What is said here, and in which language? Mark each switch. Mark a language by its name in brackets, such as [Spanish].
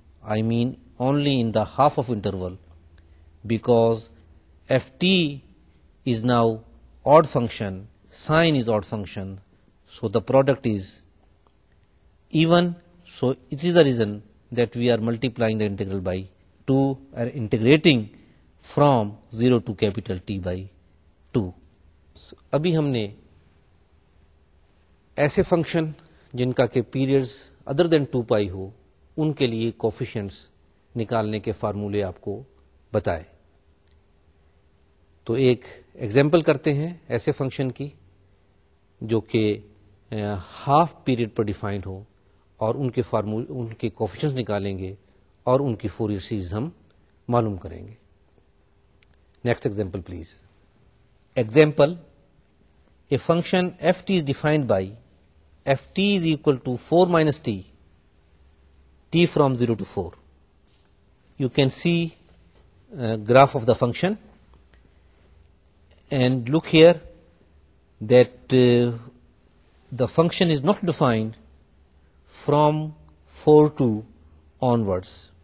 [English] I mean only in the half of interval, because ft is now odd function, sign is odd function, so the product is even. So it is the reason that we are multiplying the integral by 2 and integrating from 0 to capital T by 2. [Urdu] So abhi humne aise function jinka ke periods [English] other than 2 pi [Urdu] ho ان کے لیے coefficients نکالنے کے فارمولے آپ کو بتائے. تو ایک ایگزامپل کرتے ہیں ایسے فنکشن کی جو کہ ہاف پیریڈ پر ڈیفائنڈ ہو اور ان کے کوفیشنٹس نکالیں گے اور ان کی فوریئر سیریز ہم معلوم کریں گے. [English] Next example please. Example a function f t is defined by f t is equal to 4 minus t t from 0 to 4. You can see graph of the function and look here that the function is not defined from 4 to onwards.